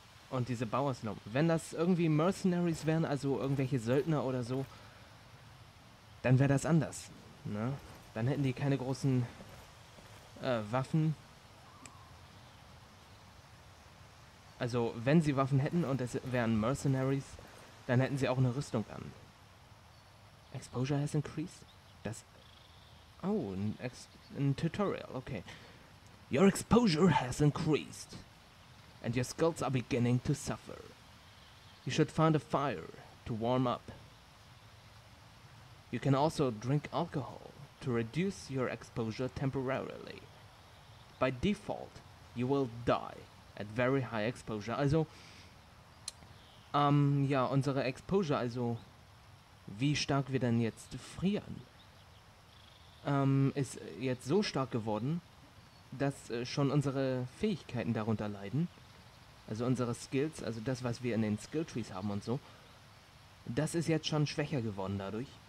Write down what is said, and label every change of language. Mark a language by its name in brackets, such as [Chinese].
[German] Und diese Bauerslumpen. Wenn das irgendwie Mercenaries wären, also irgendwelche Söldner oder so, dann wäre das anders. Ne? Dann hätten die keine großen Waffen. Also, wenn sie Waffen hätten und es wären Mercenaries, dann hätten sie auch eine Rüstung an. [English] Exposure has increased? [German] Das... Oh, ein Tutorial, okay. [English] Your exposure has increased. And your skulls are beginning to suffer. You should find a fire to warm up. You can also drink alcohol to reduce your exposure temporarily. By default, you will die at very high exposure. [German] Also, ja, unsere Exposure, also, wie stark wir denn jetzt frieren? Ist jetzt so stark geworden, dass schon unsere Fähigkeiten darunter leiden. Also unsere Skills, also das, was wir in den Skilltrees haben und so. Das ist jetzt schon schwächer geworden dadurch.